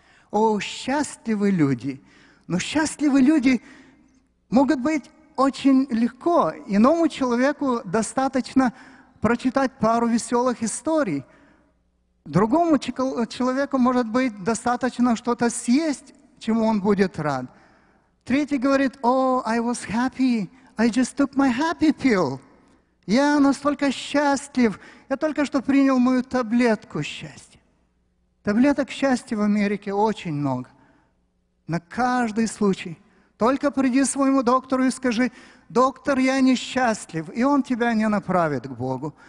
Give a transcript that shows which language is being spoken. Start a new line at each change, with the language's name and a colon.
Russian: О, счастливы люди! Но счастливы люди могут быть очень легко. Иному человеку достаточно прочитать пару веселых историй. Другому человеку, может быть, достаточно что-то съесть, чему он будет рад. Третий говорит,
English: I was happy, I just took my happy pill.
Russian: Я настолько счастлив, я только что принял мою таблетку счастья. Таблеток счастья в Америке очень много. На каждый случай. Только приди своему доктору и скажи, доктор, я несчастлив, и он тебя не направит к Богу.